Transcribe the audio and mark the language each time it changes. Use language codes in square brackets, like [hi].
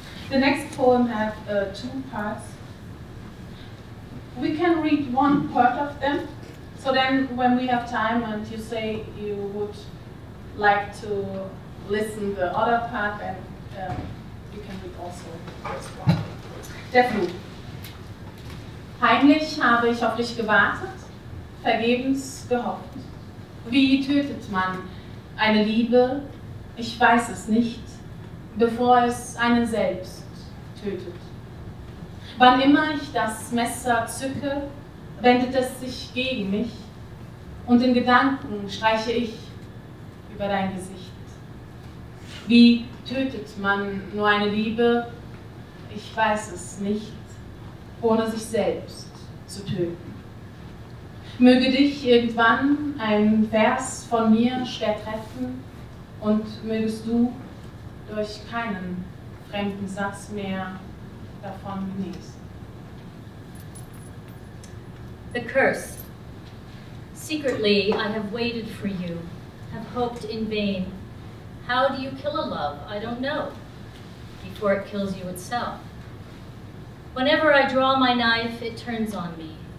[en] The next poem has two parts. We can read one part of them. So then when we have time and you say you would like to listen the other part, then you can read also this one. Definitely. [de] Heimlich habe ich auf dich gewartet, vergebens gehofft. Wie tötet man eine Liebe? Ich weiß es nicht, bevor es einen selbst tötet. Wann immer ich das Messer zücke, wendet es sich gegen mich und in Gedanken streiche ich über dein Gesicht. Wie tötet man nur eine Liebe? Ich weiß es nicht, ohne sich selbst zu töten. Möge dich irgendwann ein Vers von mir schwer treffen und mögest du durch keinen fremden Satz mehr davon genießen. [en] The curse. Secretly, I have waited for you, have hoped in vain. How do you kill a love? I don't know. Before it kills you itself. Whenever I draw my knife, it turns on me.